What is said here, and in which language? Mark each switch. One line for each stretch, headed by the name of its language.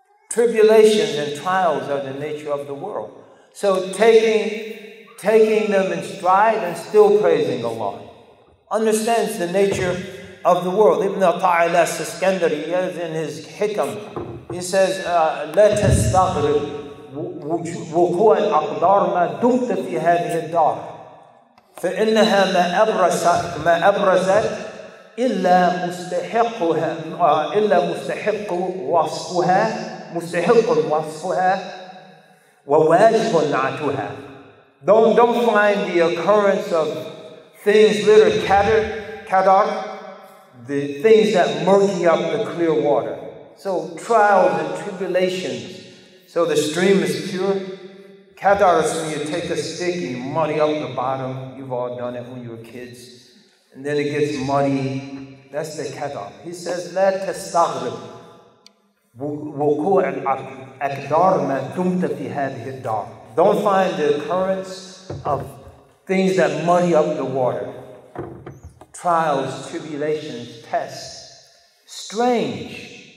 English: Tribulations and trials are the nature of the world. So taking them in stride and still praising Allah understands the nature of the world.
Arabic: Ibn al-Ta'il al-Siskandari,
English: he has in his Hikam, he says, let us
Arabic: staghrib wuqu' al-aqdar ma dumta fi hadhihi ad-dar. فإنها ما أبرزت ما أبرزت إلا مستحقها إلا مستحق وصفها مستحق وصفها وواجب نعتها.
English: Don't find the occurrence of things littered kadar, the things that murky up the clear water. So trials and tribulations. So the stream is pure. Kadar is when you take a stick and you muddy up the bottom. You've all done it when you were kids. And then it gets muddy. That's the kadar.
Arabic: He says, لا تستغرب وقوع الأقدار ما دمت في هذه الدار.
English: Don't find the occurrence of things that muddy up the water. Trials, tribulations, tests. Strange.